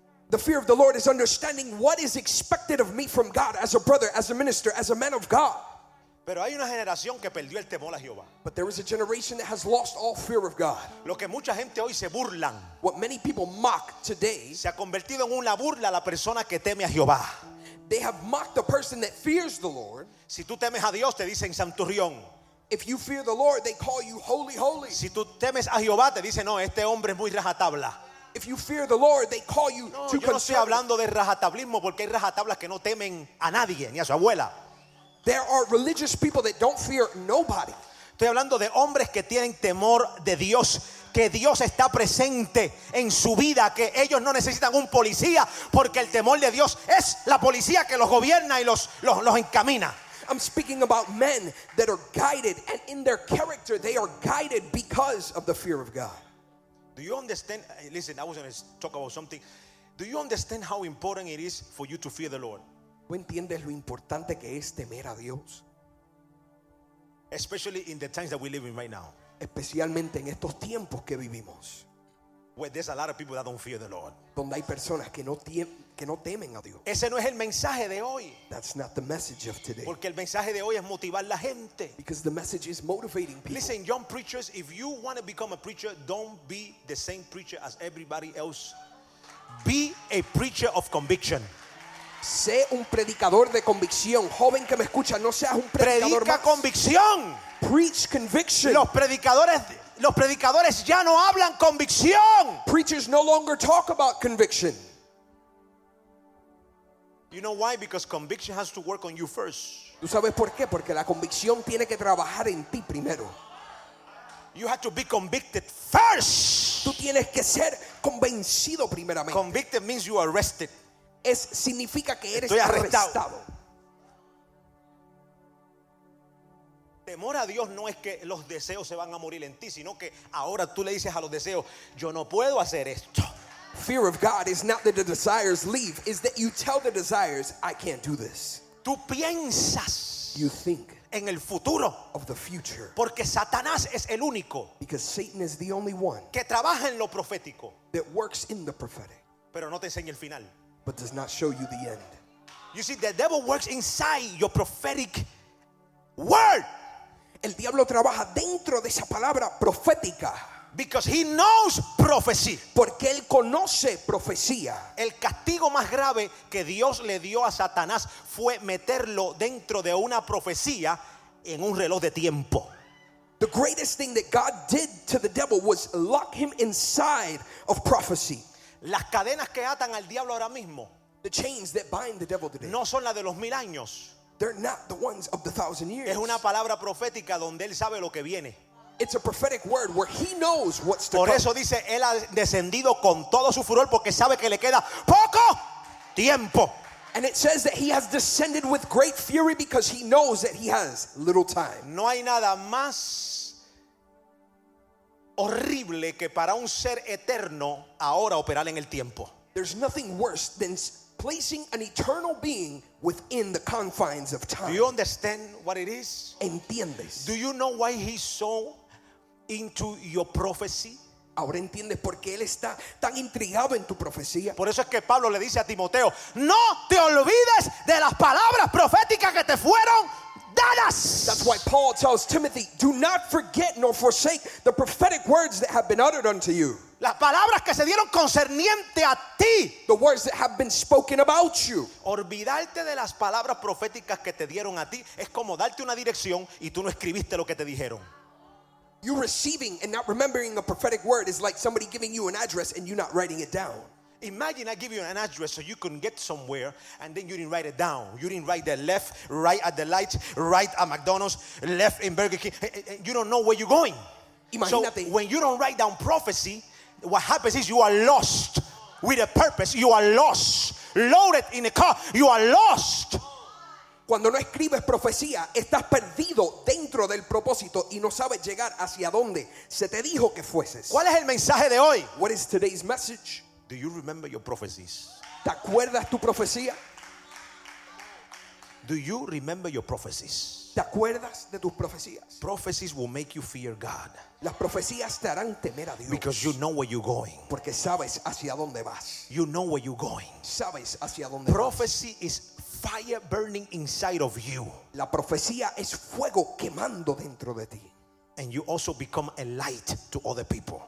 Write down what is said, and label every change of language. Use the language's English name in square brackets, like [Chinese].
[English] The fear of the Lord is understanding what is expected of me from God as a brother, as a minister, as a man of God. [Spanish] Pero hay una generación que perdió el temor a Jehová. [English] But there is a generation that has lost all fear of God. [Spanish] Lo que mucha gente hoy se burlan. [English] What many people mock today. [Spanish] Se ha convertido en una burla la persona que teme a Jehová. [English] They have mocked the person that fears the Lord. [Spanish] Si tú temes a Dios, te dicen santurrión. [English] If you fear the Lord, they call you holy, holy. [Spanish] Si tú temes a Jehová, te dicen no, este hombre es muy rajatabla. [English] If you fear the Lord, they call you too conservative. [Spanish] No, yo no estoy hablando de rajatablismo, porque hay rajatablas que no temen a nadie, ni a su abuela. [English] There are religious people that don't fear nobody. [Spanish] Estoy hablando de hombres que tienen temor de Dios, que Dios está presente en su vida, que ellos no necesitan un policía, porque el temor de Dios es la policía que los gobierna y los encamina. [English] I'm speaking about men that are guided, and in their character they are guided because of the fear of God. Do you understand? Listen, I was going to talk about something. Do you understand how important it is for you to fear the Lord? [Spanish] ¿Tú entiendes lo importante que es temer a Dios? [English] Especially in the times that we live in right now. [Spanish] Especialmente en estos tiempos que vivimos. [English] Where there's a lot of people that don't fear the Lord. [Spanish] Donde hay personas que no temen a Dios. Ese no es el mensaje de hoy. [English] That's not the message of today. [Spanish] Porque el mensaje de hoy es motivar la gente. [English] Because the message is motivating people. Listen, young preachers, if you want to become a preacher, don't be the same preacher as everybody else. Be a preacher of conviction. [Spanish] Sé un predicador de convicción. Joven que me escucha, no seas un predicador predica más. Predica convicción. [English] Preach conviction. [Spanish] Los predicadores los predicadores ya no hablan convicción. [English] Preachers no longer talk about conviction. You know why? Because conviction has to work on you first. [Spanish] ¿Tú sabes por qué? Porque la convicción tiene que trabajar en ti primero. [English] You have to be convicted first. [Spanish] Tú tienes que ser convencido primeramente. [English] Convicted means you are arrested. [Spanish] Es significa que eres arrestado. Temor a Dios no es que los deseos se van a morir en ti, sino que ahora tú le dices a los deseos, yo no puedo hacer esto. [English] Fear of God is not that the desires leave, is that you tell the desires, I can't do this. [Spanish] Tú piensas. [English] You think. [Spanish] En el futuro. [English] Of the future. [Spanish] Porque Satanás es el único. [English] Because Satan is the only one. [Spanish] Que trabaja en lo profético. [English] That works in the prophetic. [Spanish] Pero no te enseña el final. [English] But does not show you the end. You see, the devil works inside your prophetic word. [Spanish] El diablo trabaja dentro de esa palabra profética. [English] Because he knows prophecy. [Spanish] Porque él conoce profecía. El castigo más grave que Dios le dio a Satanás fue meterlo dentro de una profecía en un reloj de tiempo. [English] The greatest thing that God did to the devil was lock him inside of prophecy. [Spanish] Las cadenas que atan al diablo ahora mismo, [English] the chains that bind the devil today, [Spanish] no son las de los mil años. [English] They're not the ones of the thousand years. [Spanish] Es una palabra profética donde él sabe lo que viene. [English] It's a prophetic word where he knows what's to come. [Spanish] Por eso dice, él ha descendido con todo su furor porque sabe que le queda poco tiempo. [English] And it says that he has descended with great fury because he knows that he has little time. [Spanish] No hay nada más horrible que para un ser eterno ahora operar en el tiempo. There's nothing worse than placing an eternal being within the confines of time. [English] Do you understand what it is? [Spanish] ¿Entiendes? [English] Do you know why he's so into your prophecy? [Spanish] Ahora entiendes por qué él está tan intrigado en tu profecía. Por eso es que Pablo le dice a Timoteo, no te olvides de las palabras proféticas que te fueron dadas. [English] That's why Paul tells Timothy, do not forget nor forsake the prophetic words that have been uttered unto you. [Spanish] Las palabras que se dieron concerniente a ti. [English] The words that have been spoken about you. [Spanish] Olvidarte de las palabras proféticas que te dieron a ti es como darte una dirección y tú no escribiste lo que te dijeron. [English] You receiving and not remembering a prophetic word is like somebody giving you an address and you not writing it down. Imagine I give you an address so you can get somewhere and then you didn't write it down. You didn't write the left, right at the light, right at McDonald's, left in Burger King. You don't know where you're going. [Spanish] Imagínate. [English] So when you don't write down prophecy, what happens is you are lost with a purpose. You are lost. Loaded in a car. You are lost. [Spanish] Cuando no escribes profecía, estás perdido dentro del propósito y no sabes llegar hacia donde se te dijo que fueses. ¿Cuál es el mensaje de hoy? [English] What is today's message? Do you remember your prophecies? [Spanish] ¿Te acuerdas tu profecía? [English] Do you remember your prophecies? [Spanish] ¿Te acuerdas de tus profecías? [English] Prophecies will make you fear God. [Spanish] Las profecías te harán temer a Dios. [English] Because you know where you're going. [Spanish] Porque sabes hacia dónde vas. [English] You know where you're going. [Spanish] Sabes hacia dónde vas. [English] Prophecy is fire burning inside of you. [Spanish] La profecía es fuego quemando dentro de ti. [English] And you also become a light to other people.